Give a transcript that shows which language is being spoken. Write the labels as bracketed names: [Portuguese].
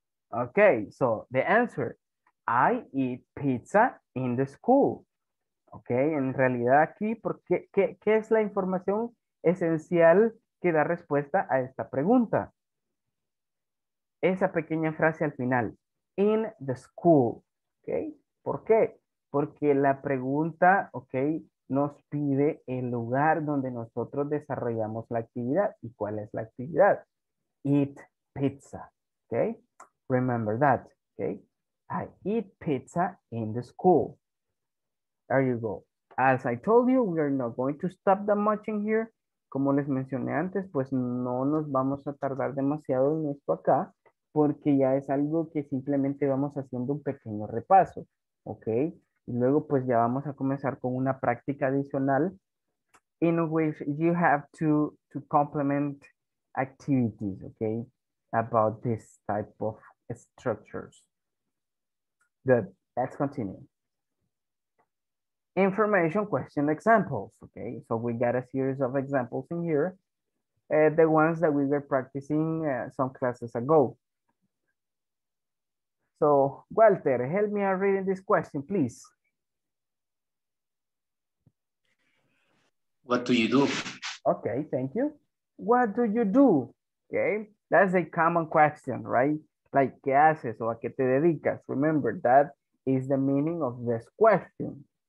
[English] Ok, so the answer, I eat pizza in the school. [Spanish] Ok, en realidad aquí, porque, ¿qué es la información esencial que da respuesta a esta pregunta? Esa pequeña frase al final, [English] in the school, [Spanish] ¿ok? ¿Por qué? Porque la pregunta, ¿ok? Nos pide el lugar donde nosotros desarrollamos la actividad. ¿Y cuál es la actividad? [English] Eat pizza, [Spanish] ¿ok? [English] Remember that, ¿ok? I eat pizza in the school. There you go. As I told you, we are not going to stop that much in here. [Spanish] Como les mencioné antes, pues no nos vamos a tardar demasiado en esto acá, porque ya es algo que simplemente vamos haciendo un pequeño repaso, ¿ok? Y luego pues ya vamos a comenzar con una práctica adicional [English] in which you have to complement activities, [Spanish] ¿ok? [English] About this type of structures. Good, let's continue. Information question examples, ¿ok? So we got a series of examples in here, the ones that we were practicing some classes ago. So, Walter, help me out reading this question, please. What do you do? Okay, thank you. What do you do? Okay, that's a common question, right? [Spanish] Like, ¿qué haces o a qué te dedicas? [English] Remember, that is the meaning of this question.